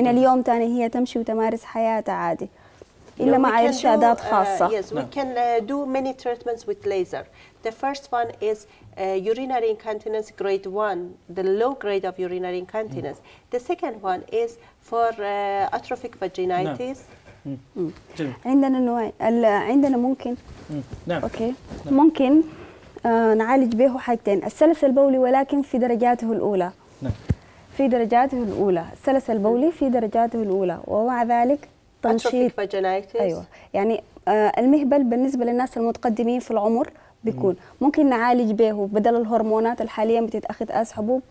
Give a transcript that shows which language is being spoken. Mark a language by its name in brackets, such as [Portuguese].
[Arabic] من اليوم تاني هي تمشي وتمارس حياتها عادي. إلا مع إرشادات خاصة. [English] Yes, we can do many treatments with laser. The first one is urinary incontinence grade 1, the low grade of urinary incontinence. Mm. The second one is for atrophic vaginitis. [Arabic] عندنا نوع عندنا ممكن. نعم. أوكي. ممكن نعالج به حاجتين، السلس البولي ولكن في درجاته الأولى. في درجاته الأولى، السلس البولي في درجاته الأولى، ومع ذلك تنشيط. ايوه يعني المهبل بالنسبه للناس المتقدمين في العمر بيكون ممكن نعالج به بدل الهرمونات الحالية بتتاخذ اس حبوب.